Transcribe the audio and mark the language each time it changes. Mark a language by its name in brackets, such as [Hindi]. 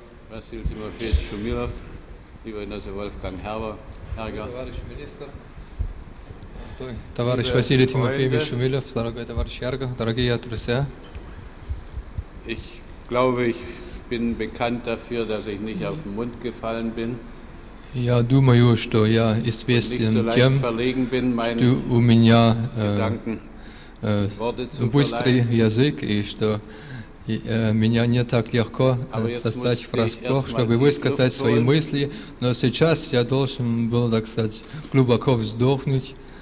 [Russian] Василий Тимофеевич Шумилов, Иванов Вольфганг Хербер, товарищ министр, товарищ Василий Тимофеевич Шумилев, дорогой товарищ Ярго, дорогие друзья. [German] Ich glaube, ich bin bekannt dafür, dass ich nicht auf den Mund gefallen bin. [Russian] Я думаю, что я известен тем, что у меня быстрый язык, и что меня не так легко застать врасплох, чтобы высказать свои мысли. Но сейчас я должен был, так сказать, глубоко вздохнуть.